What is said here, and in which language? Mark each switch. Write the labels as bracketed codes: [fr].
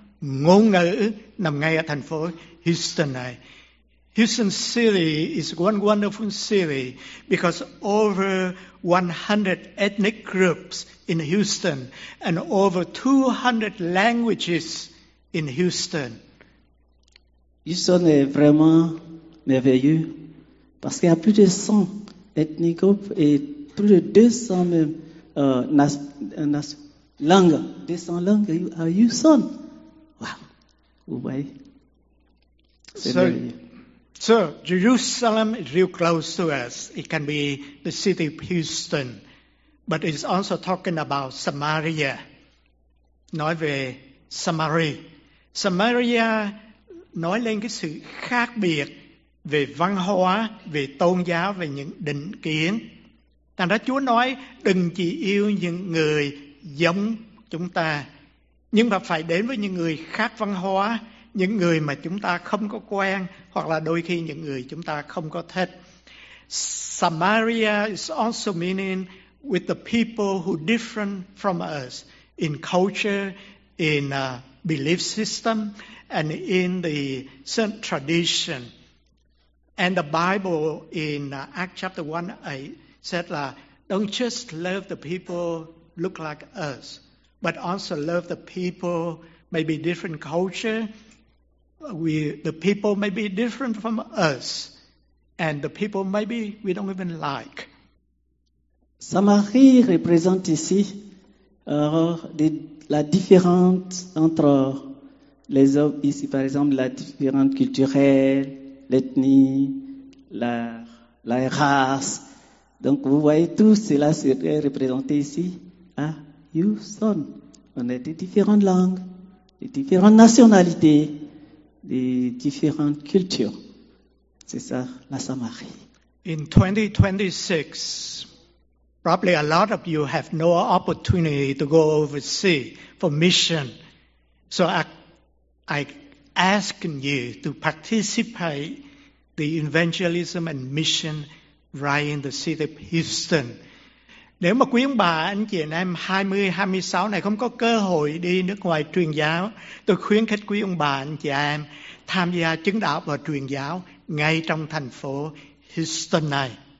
[vi] ngôn ngữ nằm ngay ở thành phố Houston này. [en] Houston City is one wonderful city because over 100 ethnic groups in Houston and over 200 languages in Houston. [fr] Houston est vraiment merveilleux parce qu'il y a plus de 100 [en] ethnic groups [fr] et plus de 200 même langues, 200 langues à Houston. Wow, vous voyez, c'est merveilleux. [en] So, Jerusalem is real close to us. It can be the city of Houston. But it's also talking about Samaria. [vi] Nói về Samaria. Samaria nói lên cái sự khác biệt về văn hóa, về tôn giáo, về những định kiến. Thành ra Chúa nói, đừng chỉ yêu những người giống chúng ta, nhưng mà phải đến với những người khác văn hóa, những người mà chúng ta không có quen, hoặc là đôi khi những người chúng ta không có thích. [en] Samaria is also meaning with the people who are different from us in culture, in belief system, and in the certain tradition. And the Bible in Acts chapter 1 8 said, don't just love the people look like us, but also love the people maybe different culture. The people may be different from us, and the people maybe we don't even like. [fr] Samarie représente ici la différence entre les hommes ici, par exemple, la différence culturelle, l'ethnie, la race. Donc vous voyez, tout cela serait représenté ici à Houston. On a des différentes langues, des différentes nationalités, des différentes cultures. C'est ça, la Samarie. [en] In 2026, probably a lot of you have no opportunity to go overseas for mission. So I ask you to participate the evangelism and mission right in the city of Houston. [vi] Nếu mà quý ông bà, anh chị, anh em 2026 này không có cơ hội đi nước ngoài truyền giáo, tôi khuyến khích quý ông bà, anh chị em tham gia chứng đạo và truyền giáo ngay trong thành phố Houston này.